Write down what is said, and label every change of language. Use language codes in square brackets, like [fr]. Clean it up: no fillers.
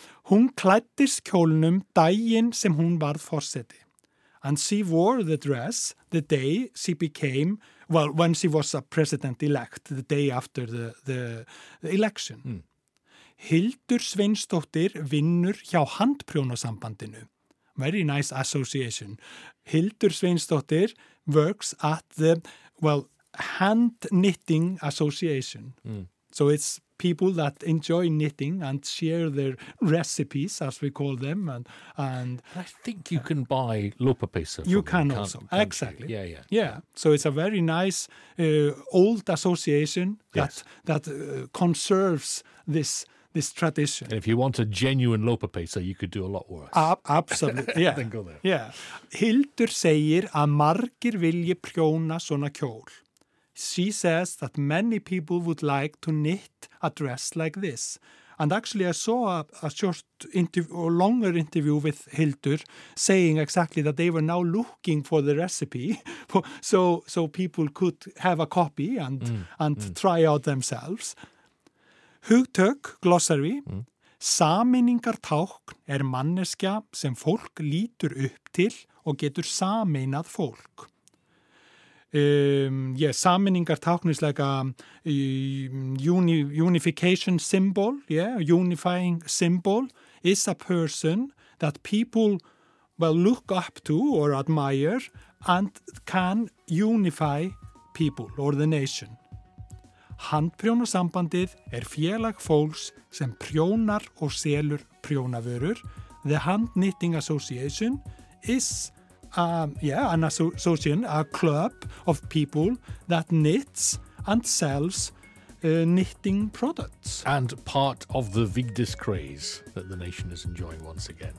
[is] Hún klæddist kjólnum daginn sem hún varð forseti. [en] And she wore the dress the day she became, well, when she was a president-elect, the day after the election. Mm. [is] Hildur Sveinsdóttir vinnur hjá handprjónasambandinu. [en] Very nice association. Hildur Sveinsdóttir works at the, well, hand knitting association. Mm. So it's people that enjoy knitting and share their recipes, as we call them. And I think you can buy lopapesa. You can also. Exactly. Yeah, yeah. Yeah. So it's a very nice old association that conserves this tradition. And if you want a genuine lopapesa, you could do a lot worse. Absolutely, yeah. Then go there. Yeah. [is] Hildur segir að margir vilji prjóna svona kjól. [en] She says that many people would like to knit a dress like this. And actually, I saw a short interview, or longer interview with Hildur saying exactly that they were now looking for the recipe so people could have a copy and try out themselves. [is] Hugtök, glossary, sameiningartákn manneskja sem fólk lítur upp til og getur sameinað fólk. [en] Sameiningartákn is like a unification symbol, unifying symbol is a person that people will look up to or admire and can unify people or the nation. [is] Handprjónasambandið félag fólks sem prjónar og selur prjónavörur. [en] The Hand Knitting Association is a club of people that knits and sells knitting products. And part of the Vigdis craze that the nation is enjoying once again.